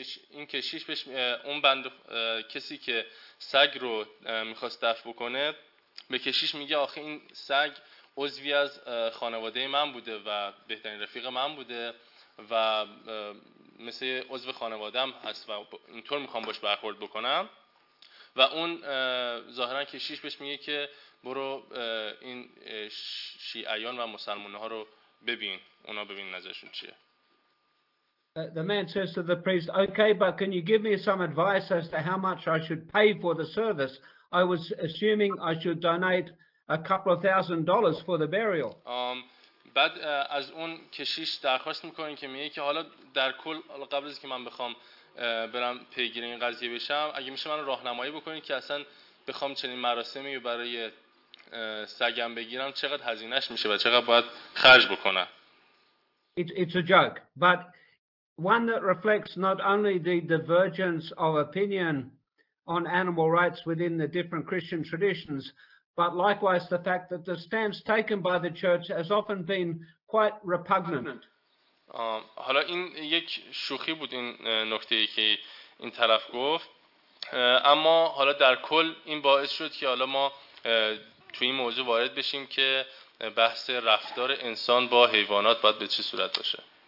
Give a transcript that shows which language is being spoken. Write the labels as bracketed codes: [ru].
[fa] این کشیش بهش اون بند کسی که سگ رو میخواست دفع بکنه به کشیش میگه آخه این سگ عضوی از خانواده من بوده و بهترین رفیق من بوده و مثل عضو خانواده‌ام هست و اینطور میخوام باش برخورد بکنم و اون ظاهرا کشیش بهش میگه که برو این شیعیان و مسلمان‌ها رو ببین اونا ببین نظرشون چیه. [en] The man says to the priest, okay, but can you give me some advice as to how much I should pay for the service? I was assuming I should donate a couple of $1,000 for the burial. [fa] بعد از اون کشیش درخواست میکنه که میگه که حالا در کل قبل از که من بخوام برم پیگیر این قضیه بشم اگه میشه من راهنمایی بکنید که اصلا بخوام چنین مراسمی برای سگم بگیرم چقدر هزینهش میشه و چقدر باید خرج بکنم. [en] It's a joke, but one that reflects not only the divergence of opinion on animal rights within the different Christian traditions, but likewise the fact that the stance taken by the church has often been quite repugnant. [fa] حالا این یک شوخی بود این نکته‌ای که این طرف گفت، اما حالا در کل این باعث شد که حالا ما توی این موضوع وارد بشیم که بحث رفتار انسان با حیوانات باید به چه صورت باشه.